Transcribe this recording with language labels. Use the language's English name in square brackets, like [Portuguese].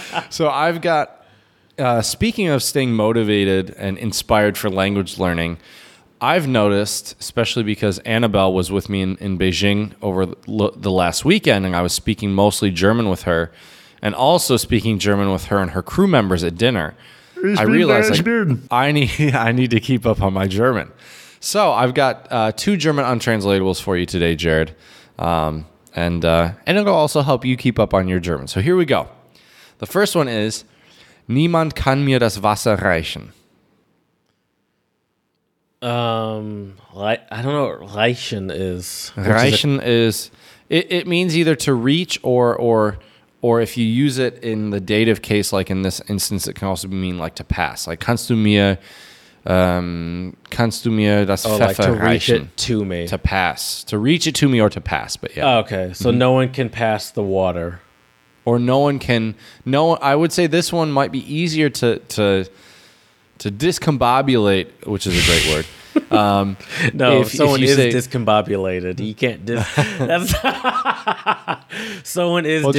[English] So I've got, speaking of staying motivated and inspired for language learning, I've noticed, especially because Annabelle was with me in Beijing over the last weekend, and I was speaking mostly German with her, and also speaking German with her and her crew members at dinner, I realized I need to keep up on my German. So I've got two German untranslatables for you today, Jared. And it'll also help you keep up on your German. So here we go. The first one is, [German] Niemand kann mir das Wasser reichen. [English] I don't know what reichen is. Reichen is it means either to reach or if you use it in the dative case, like in this instance, it can also mean like to pass. Like [German] kannst du mir das Pfeffer [English] like to [German] reichen, [English] reach it to me. To pass. To reach it to me or to pass, but yeah. Oh, okay. So mm-hmm. No one can pass the water. Or I would say this one might be easier to discombobulate, which is a great word. No, if someone if is say, discombobulated, you can't that's someone is,